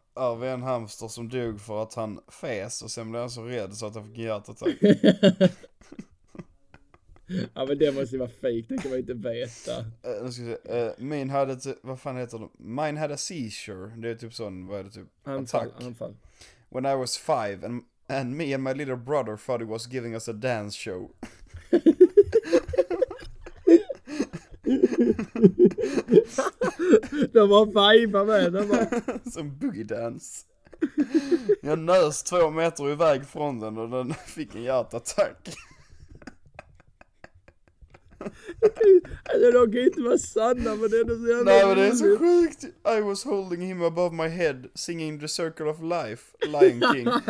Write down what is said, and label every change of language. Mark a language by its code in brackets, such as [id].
[sv] Ja, vi är en hamster som dog för att han fes och sen blev han så rädd så att han fick hjärtattack. Ja, men det måste ju vara fake, det kan man inte veta. Min hade, vad fan heter det? [en] Mine had a seizure. [sv] Det är typ sån, vad är det typ? Anfall. [en] When I was 5 and me and my little brother thought he was giving us a dance show. [sv] De var 5 med, de var. Som boogie dance. Jag nös 2 meter iväg från den och den fick en hjärtattack. Alltså, de kan inte vara sanna, men det är så jävla. Nej, men det är så sjukt. [en] I was holding him above my head, singing the circle of life, Lion King.